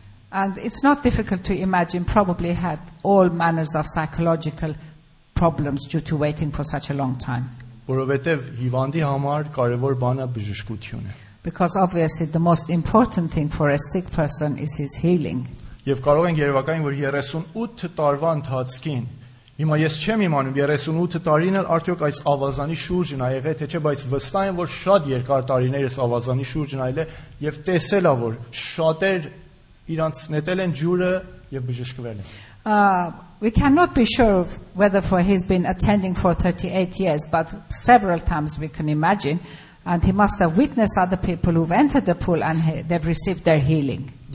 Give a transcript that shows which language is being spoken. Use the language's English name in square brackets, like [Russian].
[English] And it's not difficult to imagine, probably had all manners of psychological problems due to waiting for such a long time. Because obviously the most important thing for a sick person is his healing. [Armenian] Եվ կարող ենք երևակայել, որ 38 տարվա ընթացքին, հիմա ես չեմ իմանում 38 տարին էլ արդյոք այս ավազանի շուրջն ա եղել, թե չէ, բայց վստահ եմ, որ շատ երկար տարիներ էս ավազանի շուրջն ա եղել, եւ տեսել ա, որ շատեր իրանց նետել են ջուրը եւ բժշկվել են. [English] We cannot be sure whether for he's been attending for 38 years, but several times we can imagine, and he must have witnessed other people who've entered the pool and they've received their healing.